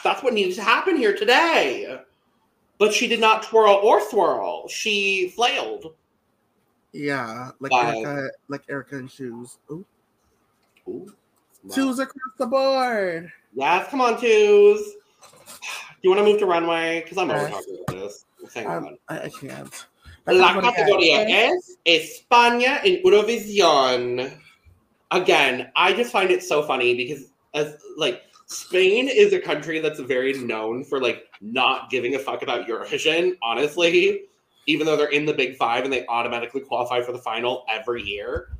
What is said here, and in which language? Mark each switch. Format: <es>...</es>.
<en>That's what needed to happen here today. But she did not twirl or swirl. She flailed. Yeah, like Erica in shoes. Ooh. Wow. Twos across the board. Yes, come on, twos. Do you want to move to runway? Because I'm over talking about this. I can't.</en> <es>La categoría es España en Eurovisión.</es> <en>Again, I just find it so funny because, Spain is a country that's very known for, like, not giving a fuck about Eurovision, honestly. Even though they're in the Big Five and they automatically qualify for the final every year.</en>